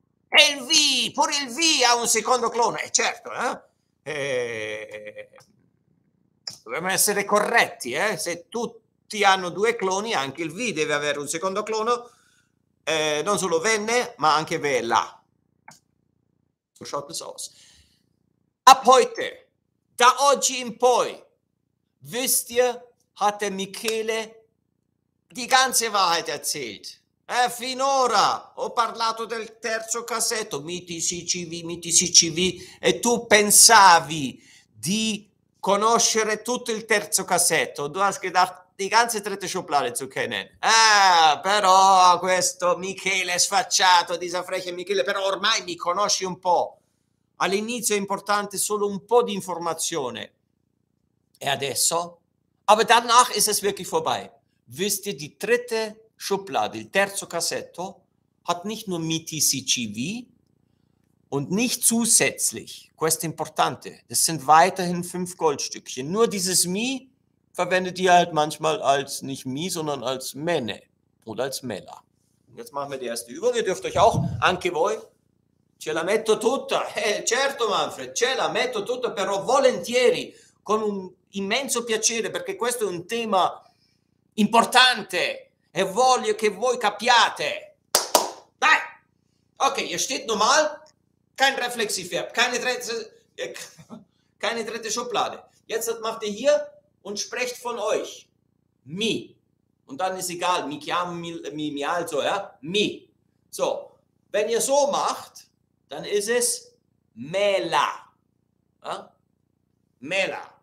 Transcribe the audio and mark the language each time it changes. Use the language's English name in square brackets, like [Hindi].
[Italian] E il Vi, pure il Vi ha un secondo clono, è certo, eh? Dobbiamo essere corretti, eh? Se tutti hanno due cloni, anche il Vi deve avere un secondo clono. Non solo venne, ma anche vela. [German] So schaut es aus. Ab heute, [Italian] da oggi in poi, [German] wisst ihr, hat der Michele die ganze Wahrheit erzählt. [Italian] Finora ho parlato del terzo cassetto, miti si civi, miti si civi, e tu pensavi di conoscere tutto il terzo cassetto, [German] du hast gedacht, die ganze dritte Schublade zu kennen. [Italian] Ah, però questo Michele sfacciato, [German] dieser freche Michele, [Italian] però ormai mi conosci un po'. All'inizio è importante solo un po' di informazione. E adesso? [German] Aber danach ist es wirklich vorbei. Wisst ihr, die dritte Schublade, [Italian] il terzo cassetto, [German] hat nicht nur MIDI-CGV und nicht zusätzlich, [Italian] questo importante, [German] das sind weiterhin 5 Goldstückchen. Nur dieses Mi verwendet ihr halt manchmal als nicht Mi, sondern als Mene oder als Mela. Jetzt machen wir die erste Übung. Ihr dürft euch auch, [Italian] anche voi, ce la metto tutta. Certo, Manfred, ce la metto tutta, però volentieri, con un immenso piacere, perché questo è un tema importante e voglio che voi capiate. Dai! [German] Ok, ihr steht normal, kein Reflexiverb, keine dritte Schublade. Jetzt macht ihr hier und sprecht von euch. Mi. Und dann ist egal, [Italian] mi chiamo, mi alzo, [German] ja? Mi. So, wenn ihr so macht, dann ist es Mela. Ja? Mela.